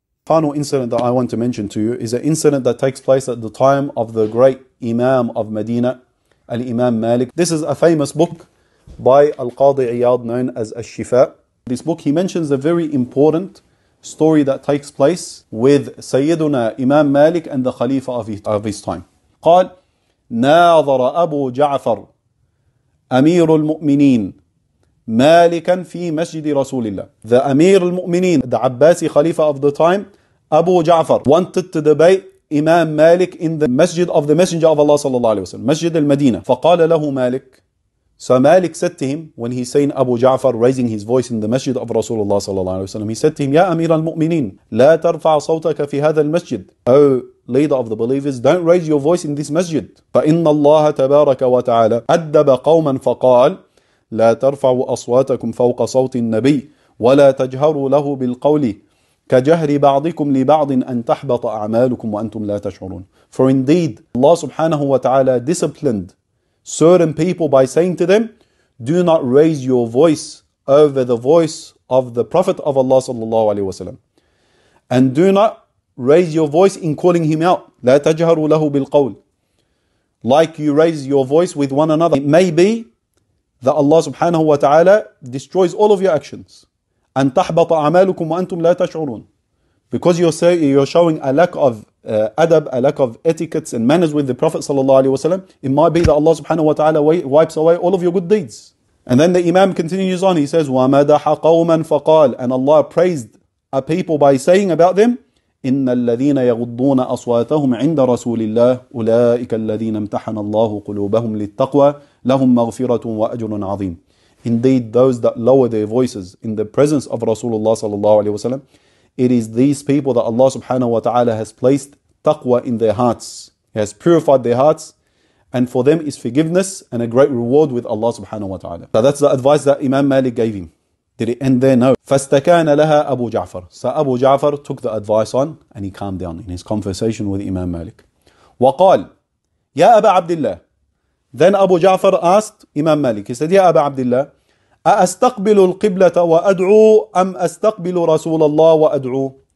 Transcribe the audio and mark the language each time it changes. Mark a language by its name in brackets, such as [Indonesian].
[English] Final incident that I want to mention to you is an incident that takes place at the time of the great Imam of Medina, Al-Imam Malik. This is a famous book by Al-Qadi Iyad, known as Al-Shifa. This book, he mentions a very important story that takes place with Sayyiduna Imam Malik and the Khalifa of his time. [Arabic] قال ناظر أبو جعفر أمير المؤمنين مالكا في مسجد رسول الله. [English] The Amir al-Mu'mineen, the Abbasi Khalifa of the time, Abu Ja'far, wanted to debate Imam Malik in the Masjid of the Messenger of Allah sallallahu alayhi wa sallam, Masjid al-Madinah. [Arabic] فَقَالَ لَهُ مَالِكَ. [English] So Malik said to him, when he's saying Abu Ja'far, raising his voice in the Masjid of Rasulullah sallallahu alayhi wa sallam, he said to him, [Arabic] يَا أَمِيرَ الْمُؤْمِنِينَ لَا تَرْفَعَ صَوْتَكَ فِي هَذَا الْمَسْجِدِ. [English] Oh, leader of the believers, don't raise your voice in this Masjid. [Arabic] فَإِنَّ اللَّهَ تَبَارَكَ وَتَعَالَى أَدَّبَ قَوْمًا فَقَالَ لا ترفعوا أصواتكم فوق صوت النبي ولا تجهروا له بالقول كجهر بعضكم لبعض أن تحبط أعمالكم وأنتم لا تشعرون. [English] For indeed, Allah subhanahu wa ta'ala disciplined certain people by saying to them, do not raise your voice over the voice of the Prophet of Allah sallallahu alayhi wa sallam. And do not raise your voice in calling him out. [Arabic] لا تجهروا له بالقول. [English] Like you raise your voice with one another. It may be that Allah subhanahu wa ta'ala destroys all of your actions. [Arabic] أَن تَحْبَطَ أَعْمَالُكُمْ وَأَنْتُمْ لَا تَشْعُرُونَ. [English] Because you're showing a lack of adab, a lack of etiquettes and manners with the Prophet sallallahu alayhi wa sallam, it might be that Allah subhanahu wa ta'ala wipes away all of your good deeds. And then the Imam continues on, he says, [Arabic] وَمَدَحَ قَوْمًا فَقَالَ. [English] And Allah praised a people by saying about them, [Arabic] إِنَّ الَّذِينَ يَغُضُّونَ أَصْوَاتَهُمْ عِنْدَ رَسُولِ اللَّهِ أُولَٰئِكَ الَّذِينَ امْتَحَنَ اللَّهُ قُلُوبَهُمْ لِلتَّقْوَى لَهُمْ مَغْفِرَةٌ وَأَجْرٌ عَظِيمٌ. [English] Indeed, those that lower their voices in the presence of Rasulullah sallallahu alayhi wa sallam, it is these people that Allah subhanahu wa ta'ala has placed taqwa in their hearts. He has purified their hearts, and for them is forgiveness and a great reward with Allah subhanahu wa ta'ala. So that's the advice that Imam Malik gave him. Did it end there? No. [Arabic] فَاسْتَكَانَ لَهَا أَبُو جَعْفَرُ. [English] So Abu Ja'far took the advice on and he calmed down in his conversation with Imam Malik. [Arabic] وَقَالْ يَا أَبَا عَبْدِ اللَّهِ. [English] Then Abu Ja'far asked Imam Malik, he said, [Arabic] يَا أَبَا عَبْدِ اللَّهِ أَأَسْتَقْبِلُ الْقِبْلَةَ وَأَدْعُوا أَمْ أَسْتَقْبِلُ رَسُولَ اللَّهِ وَأَدْعُوا.